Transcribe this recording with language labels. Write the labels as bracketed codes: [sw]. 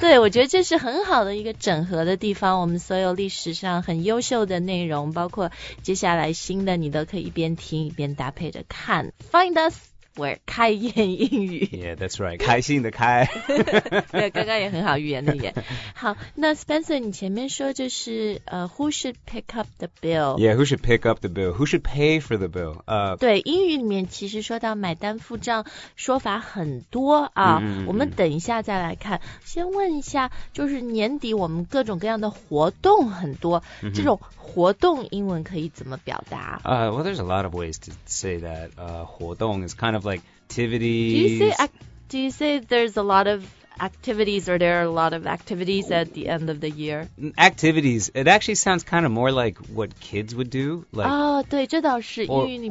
[zh] 对，我觉得这是很好的一个整合的地方，我们所有历史上很优秀的内容，包括接下来新的，你都可以一边听一边搭配着看。 [en] Find us,We're 开言英语 Yeah, that's right, [zh] 开心的开对，刚刚也很好，语言的语言。好，那 Spencer, 你前面说就是 [en] who should pick up the bill? Yeah, who should pick up the bill? Who should pay for the bill? [zh] 对，英语里面其实说到买单付账说法很多啊。我们等一下再来看，先问一下，就是年底我们各种各样的活动很多，这种活动英文可以怎么表达？ [en] Well, there's a lot of ways to say that. 活动 is kind of like activities. Do you say there's a lot of activities or there are a lot of activities at the end of the year? Activities. It actually sounds kind of more like what kids would do. Like, [zh] 对，这倒是英语里面。